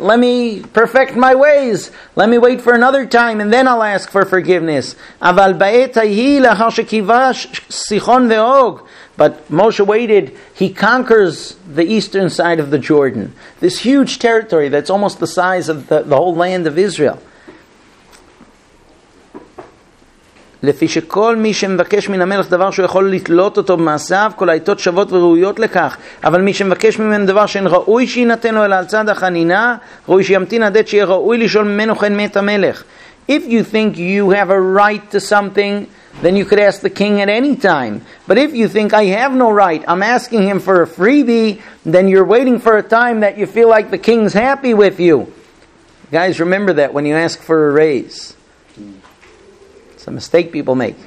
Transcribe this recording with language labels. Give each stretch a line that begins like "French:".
English: Let me perfect my ways. Let me wait for another time and then I'll ask for forgiveness.
Hebrew: Aval ba'et ahi l'achar shekivash Sichon ve'og.
English: But Moshe waited, he conquers the eastern side of the Jordan. This huge territory that's almost the size of the whole land of Israel.
Hebrew: לפי שכל מי שמבקש מן המלך דבר שהוא יכול לתלות אותו במעשיו, כל העיתות שוות וראויות לכך, אבל מי שמבקש ממנו דבר שאין ראוי שיינתן לו אלא על צד החנינה, ראוי שימתין עד שיהיה ראוי לשאול ממנו כן מת המלך.
English: If you think you have a right to something, then you could ask the king at any time. But if you think, I have no right, I'm asking him for a freebie, then you're waiting for a time that you feel like the king's happy with you. Guys, remember that when you ask for a raise. It's a mistake people make.